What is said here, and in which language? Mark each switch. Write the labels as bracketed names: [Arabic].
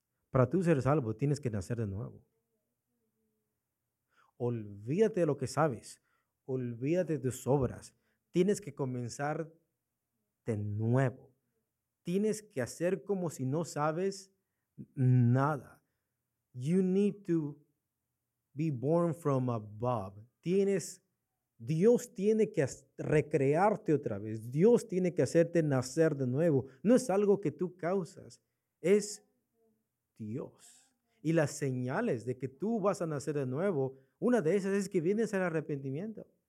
[Spanish] Para tú ser salvo, tienes que nacer de nuevo. Olvídate de lo que sabes. Olvídate de tus obras. Tienes que comenzar de nuevo. Tienes que hacer como si no sabes nada. [English] You need to be born from above. [Spanish] Dios tiene que recrearte otra vez. Dios tiene que hacerte nacer de nuevo. No es algo que tú causas. Es Dios. Y las señales de que tú vas a nacer de nuevo, una de esas es que vienes al arrepentimiento.